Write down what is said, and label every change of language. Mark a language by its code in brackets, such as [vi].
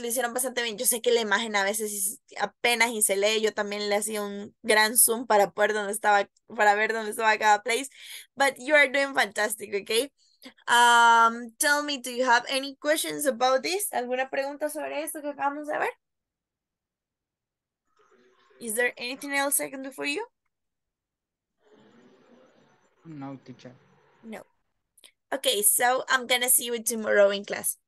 [es] Lo hicieron bastante bien. Yo sé que la imagen a veces es apenas y se lee. Yo también le hacía un gran zoom para poder donde estaba, para ver dónde estaba cada place. [en] But you are doing fantastic, okay? Tell me, do you have any questions about this? [es] ¿Alguna pregunta sobre esto que acabamos de ver? [en] Is there anything else I can do for you? No, teacher. No. Okay, so I'm gonna see you tomorrow in class.